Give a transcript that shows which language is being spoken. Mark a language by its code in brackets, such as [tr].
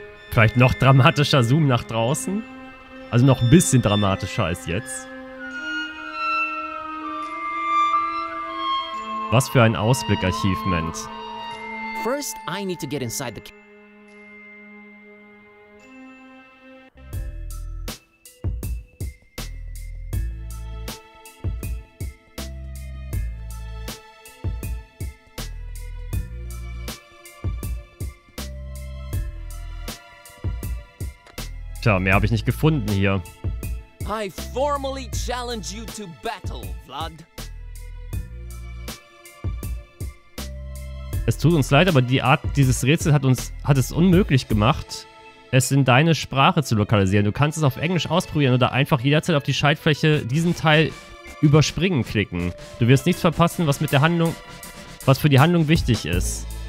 [de] Vielleicht noch dramatischer Zoom nach draußen. Also noch ein bisschen dramatischer als jetzt. Was für ein Ausblick, Archivment. [en] First, I need to get inside the... [de] Tja, mehr habe ich nicht gefunden hier. [en] I formally challenge you to battle, Vlad. [de] Es tut uns leid, aber die Art dieses Rätsels hat es unmöglich gemacht, es in deine Sprache zu lokalisieren. Du kannst es auf Englisch ausprobieren oder einfach jederzeit auf die Schaltfläche diesen Teil überspringen klicken. Du wirst nichts verpassen, was mit der Handlung, was für die Handlung wichtig ist.